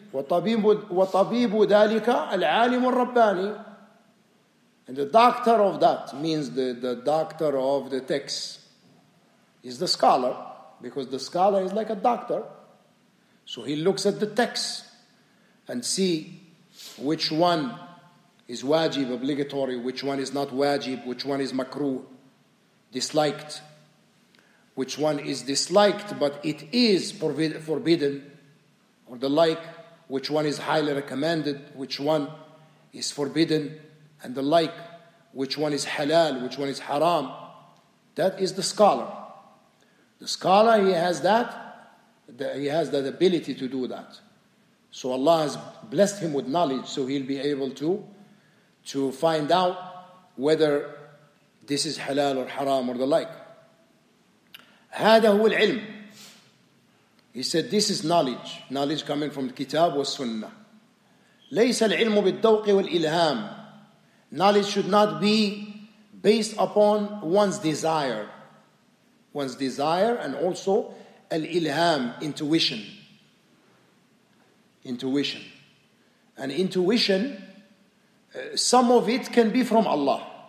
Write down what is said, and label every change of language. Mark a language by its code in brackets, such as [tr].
[ar] وطبيب ذلك العالم الرباني. [en] And the doctor of that means the doctor of the text is the scholar. Because the scholar is like a doctor. So he looks at the text and see which one is wajib, obligatory, which one is not wajib, which one is makruh, disliked, which one is disliked but it is forbidden, or the like, which one is highly recommended, which one is forbidden, and the like, which one is halal, which one is haram. That is the scholar. The scholar, he has that He has that ability to do that. So Allah has blessed him with knowledge, so he'll be able to find out whether this is halal or haram or the like. [ar] هذا هو العلم. [en] He said, this is knowledge. Knowledge coming from the Kitab was Sunnah. [ar] ليس العلم بالذوق والإلهام. [en] Knowledge should not be based upon one's desire. One's desire and also الإلهام, intuition. Intuition. And intuition, some of it can be from Allah.